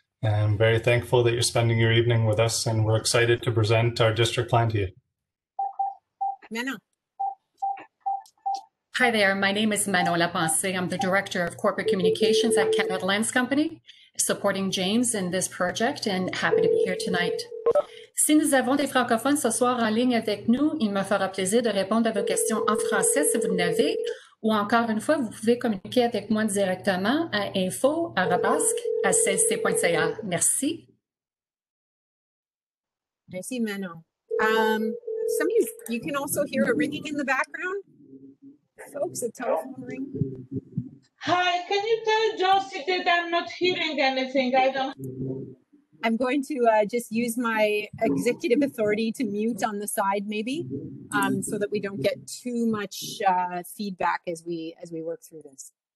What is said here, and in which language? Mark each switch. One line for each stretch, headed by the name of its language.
English: And I'm very thankful that you're spending your evening with us, and we're excited to present our district plan to you. Menno. Hi there. My name is Menno Lapensé. I'm the director of corporate communications at Canada Lands Company, supporting James in this project, and happy to be here tonight.
French: Si nous avons des francophones ce soir en ligne avec nous, il me fera plaisir de répondre à vos questions en français si vous l'avez, ou encore une fois, vous pouvez communiquer avec moi directement à info@clc.ca. Merci. Merci, Menno.
English: Some of you can also hear a ringing in the background. Folks, a telephone ring. Hi, can you tell Josie that I'm not hearing anything? I'm going to just use my executive authority to mute on the side, maybe, so that we don't get too much feedback as we work through this.